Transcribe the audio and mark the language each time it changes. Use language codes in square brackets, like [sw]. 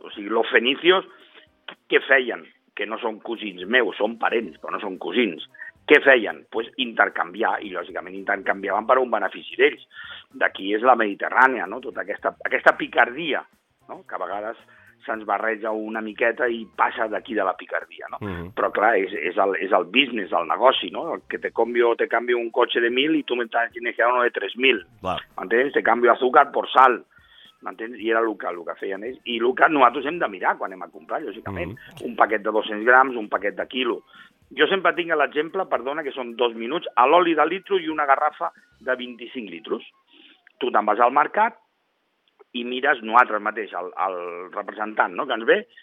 [ca] O sigui, los fenicios, què feien? Que no són cosins meus, són parents, però no són cosins. Què feien? Doncs pues intercanviar, i lògicament intercanviaven per un benefici d'ells. D'aquí és la Mediterrània, no? Tota aquesta picardia, no? Que a vegades se'ns barreja una miqueta i passa d'aquí de la picardia, no? Mm-hmm. Però clar, és el business, el negoci, no? El que te canvio un cotxe de 1.000 i [es] tu me tienes que dar uno de 3.000. [ca] M'entens? Te canvio [es] azúcar por sal. [ca] M'entens? I era el que feien ells. I el que nosaltres hem de mirar quan anem a comprar, lògicament. Mm-hmm. Un paquet de 200 grams, un paquet de quilo. Jo sempre tinc l'exemple, perdona, que són dos minuts, a l'oli de litro i una garrafa de 25 litros. Tu te'n vas al mercat i mires nosaltres mateix, el representant, no?, que ens ve.